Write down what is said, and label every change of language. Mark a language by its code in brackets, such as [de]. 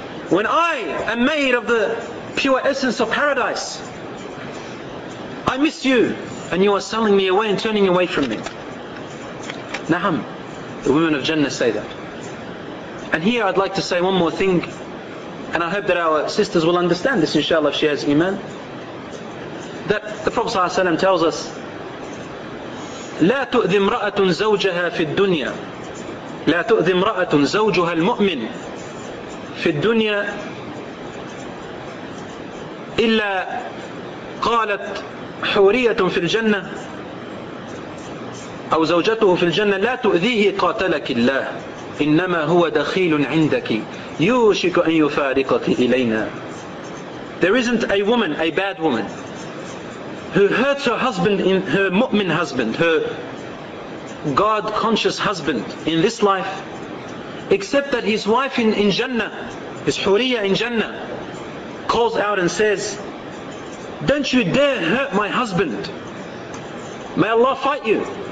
[en] When I am made of the pure essence of paradise, I miss you, and you are selling me away and turning away from me. Naham, the women of Jannah say that. And here I'd like to say one more thing, and I hope that our sisters will understand this, inshallah, if she has iman. That the Prophet ﷺ tells us [ar] لا تؤذي امرأة زوجها في الدنيا, لا تؤذي امرأة زوجها المؤمن في الدنيا إلا قالت حورية في الجنة أو زوجته في الجنة لا تؤذيه قاتلك الله, إنما هو دخيل عندك يوشك أن يفارقك إلينا. [en] There isn't a woman, a bad woman, who hurts her husband, in her mu'min husband, her God-conscious husband in this life, except that his wife in Jannah, his huriya in Jannah, calls out and says, don't you dare hurt my husband. May Allah fight you.